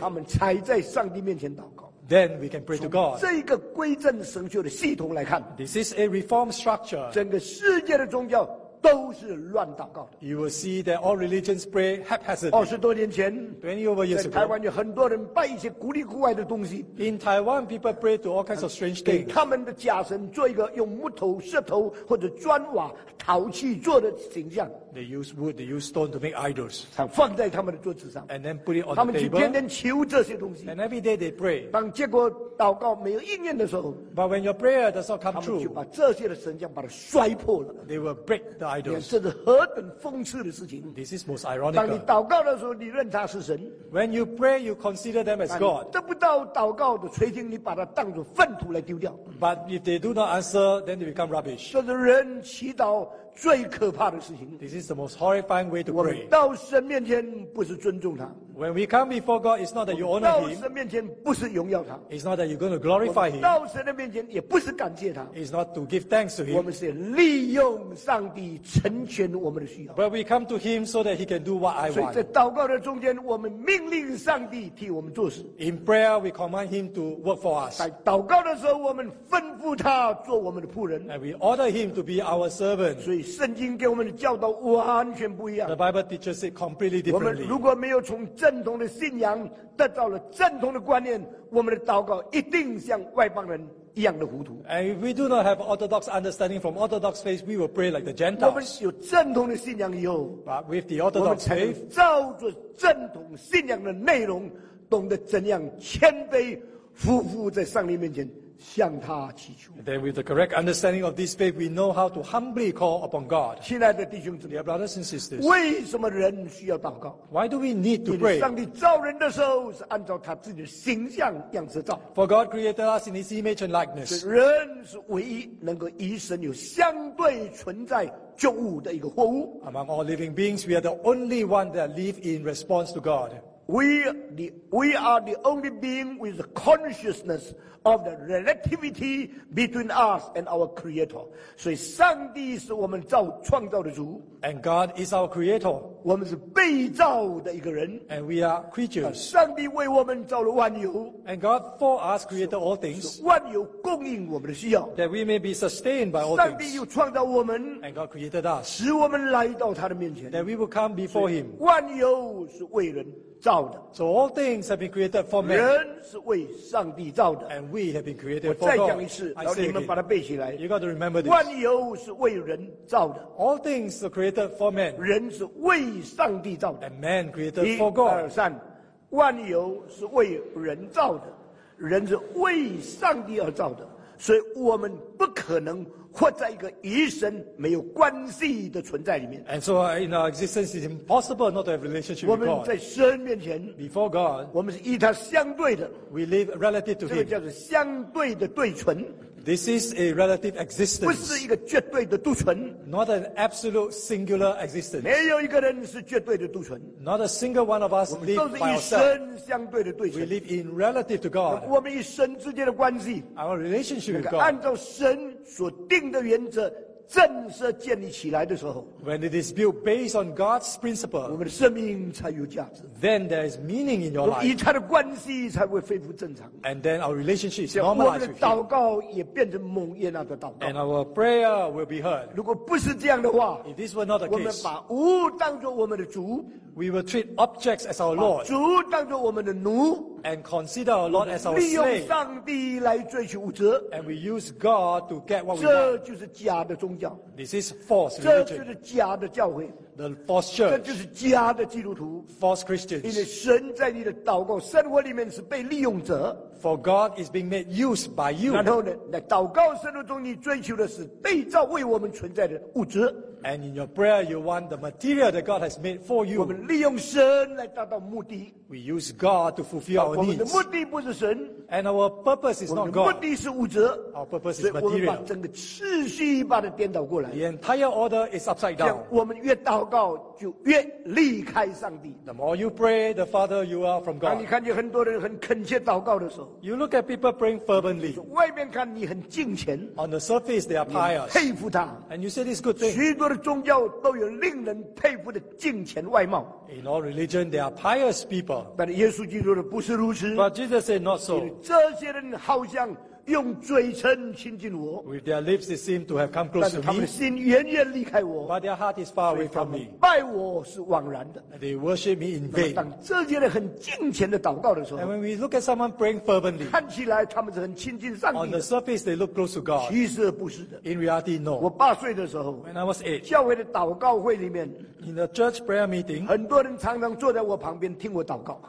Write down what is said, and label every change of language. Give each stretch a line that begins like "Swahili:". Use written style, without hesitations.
Chinese: 他们才在上帝面前祷告。
English: Then we can pray to God.
Chinese: 这一个归正神学的系统来看
English: ，this is a reformed structure.
Chinese: 整个世界的宗教都是乱祷告的。
English: You will see that all religions pray haphazard.
Chinese: 二十多年前
English: ，20 over years ago,
Chinese: 在台湾有很多人拜一些古里古怪的东西。
English: In Taiwan, people pray to all kinds of strange things.
Chinese: 给他们的假神做一个用木头、石头或者砖瓦、陶器做的形象。
English: They use wood, they use stone to make idols.
Chinese: 放在他们的桌子上。
English: And then put it on
Chinese: 他们去天天求这些东西。
English: And every day they pray.
Chinese: 当结果祷告没有应验的时候
English: ，But when your prayer does not come true,
Chinese: 他们就把这些的神像把它摔破了。
English: They will break the idols.
Chinese: 这是何等讽刺的事情。
English: This is most ironic.
Chinese: 当你祷告的时候，你认他是神。
English: When you pray, you consider them as God.
Chinese: 得不到祷告的垂听，你把它当作粪土来丢掉。
English: But if they do not answer, then they become rubbish.
Chinese: 这是人祈祷。最可怕的事情。
English: This is the most horrifying way to pray.
Chinese: 我们到神面前不是尊重他。
English: When we come before God, it's not that you honor him.
Chinese: 到神面前不是荣耀他。
English: It's not that you're going to glorify him.
Chinese: 到神的面前也不是感谢他。
English: It's not to give thanks to him.
Chinese: 我们是利用上帝成全我们的需要。
English: But we come to him so that he can do what I want.
Chinese: 所以在祷告的中间，我们命令上帝替我们做事。
English: In prayer, we command him to work for us.
Chinese: 在祷告的时候，我们吩咐他做我们的仆人。
English: And we order him to be our servant.
Chinese: 所以圣经给我们的教导完全不一样。
English: The Bible teaches it completely differently.
Chinese: 我们如果没有从正统的信仰得到了正统的观念，我们的祷告一定像外邦人一样的糊涂。
English: And if we do not have orthodox understanding from orthodox faith, we will pray like the Gentiles.
Chinese: 我们有正统的信仰以后
English: ，But with the orthodox faith,
Chinese: 我们才能照着正统信仰的内容懂得怎样谦卑匍匐在上帝面前向他祈求。
English: Then with the correct understanding of this faith, we know how to humbly call upon God.
Chinese: 亲爱的弟兄姊妹
English: Dear brothers and sisters,
Chinese: 为什么人需要祷告？
English: Why do we need to pray?
Chinese: 上帝造人的时候是按照他自己的形象样式造。
English: For God created us in His image and likeness.
Chinese: 人是唯一能够与神有相对存在救物的一个活物。
English: Among all living beings, we are the only one that live in response to God. We are the only being with the consciousness of the relativity between us and our Creator.
Chinese: 所以上帝是我们造创造的主。
English: And God is our Creator.
Chinese: 我们是被造的一个人。
English: And we are creatures.
Chinese: 上帝为我们造了万有。
English: And God for us created all things.
Chinese: 万有供应我们的需要。
English: That we may be sustained by all things.
Chinese: 上帝又创造我们。
English: And God created us.
Chinese: 使我们来到他的面前。
English: That we will come before him.
Chinese: 万有是为人。
English: So all things have been created for man.
Chinese: 人是为上帝造的。
English: And we have been created for God.
Chinese: 我再讲一次，然后你们把它背起来。
English: You got to remember this.
Chinese: 万有是为人造的。
English: All things are created for man.
Chinese: 人是为上帝造的。
English: And man created for God.
Chinese: 一二三，万有是为人造的，人是为上帝而造的，所以我们不可能。活在一个与神没有关系的存在里面。
English: And so in our existence, it's impossible not to have a relationship with God.
Chinese: 我们在神面前
English: ，before God，
Chinese: 我们是与他相对的。
English: We live relative to him.
Chinese: 这个叫做相对的对存。
English: This is a relative existence.
Chinese: 不是一个绝对的独存。
English: Not an absolute singular existence.
Chinese: 没有一个人是绝对的独存。
English: Not a single one of us live by ourselves.
Chinese: 我们都是与神相对的对存。
English: We live in relative to God.
Chinese: 我们与神之间的关系
English: ，our relationship with God，
Chinese: 按照神所定的原则正式建立起来的时候
English: ，when it is built based on God's principle，
Chinese: 我们的生命才有价值。
English: Then there is meaning in your life，
Chinese: 与他的关系才会恢复正常。
English: And then our relationship is normalized with him。
Chinese: 我们的祷告也变成蒙悦纳的祷告。
English: And our prayer will be heard。
Chinese: 如果不是这样的话
English: ，if this were not the case，
Chinese: 我们把物当作我们的主
English: ，we will treat objects as our lord，
Chinese: 把主当作我们的奴。
English: And consider our Lord as our slave.
Chinese: 利用上帝来追求物质。
English: And we use God to get what we want.
Chinese: 这就是假的宗教。
English: This is false religion.
Chinese: 这就是假的教会。
English: The false church.
Chinese: 这就是假的基督徒。
English: False Christians.
Chinese: 因为神在你的祷告生活里面是被利用者。
English: For God is being made use by you.
Chinese: 然后呢，在祷告生活中你追求的是被造为我们存在的物质。
English: And in your prayer, you want the material that God has made for you.
Chinese: 我们利用神来达到目的。
English: We use God to fulfill our needs.
Chinese: 我们的目的不是神。
English: And our purpose is not God.
Chinese: 我们的目的是物质。
English: Our purpose is material.
Chinese: 所以我们把整个次序把它颠倒过来。
English: The entire order is upside down.
Chinese: 我们越祷告就越离开上帝。
English: The more you pray, the farther you are from God.
Chinese: 当你看见很多人很恳切祷告的时候
English: ，You look at people praying fervently.
Chinese: 外面看你很敬虔。
English: On the surface, they are pious.
Chinese: 佩服他。
English: And you say this good thing.
Chinese: 许多的宗教都有令人佩服的敬虔外貌。
English: In all religion, they are pious people.
Chinese: 但耶稣基督的不是如此。
English: But Jesus said not so.
Chinese: 这些人好像。用嘴唇亲近我
English: ，With their lips they seem to have come close to me，
Chinese: 但他们心远远离开我
English: ，But their heart is far away from me。
Chinese: 拜我是枉然的
English: ，They worship me in vain。
Chinese: 当这些人很敬虔的祷告的时候
English: ，And when we look at someone praying fervently，
Chinese: 看起来他们是很亲近上帝的
English: ，On the surface they look close to God，
Chinese: 其实不是的
English: ，In reality no。
Chinese: 我八岁的时候
English: ，When I was eight，
Chinese: 教会的祷告会里面
English: ，In the church prayer meeting，
Chinese: 很多人常常坐在我旁边听我祷告